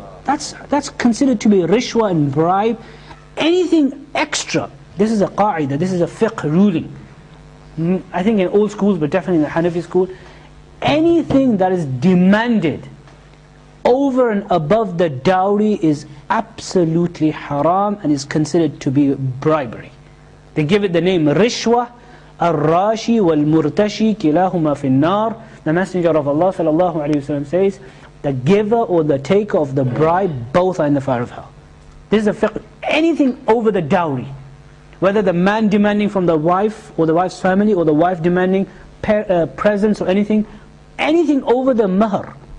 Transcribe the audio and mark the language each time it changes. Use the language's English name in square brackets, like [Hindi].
[English] That's considered to be rishwa and bribe. Anything extra, this is a qa'idah, this is a fiqh ruling. I think in old schools, but definitely in the Hanafi school, anything that is demanded over and above the dowry is absolutely haram and is considered to be bribery. They give it the name rishwa. [Arabic] الراشي والمرتشي كلاهما في النار. [English] The Messenger of Allah sallallahu alayhi wa sallam says, the giver or the taker of the bribe, both are in the fire of hell. This is a fiqh. Anything over the dowry, whether the man demanding from the wife or the wife's family, or the wife demanding presents or anything, anything over the mahr.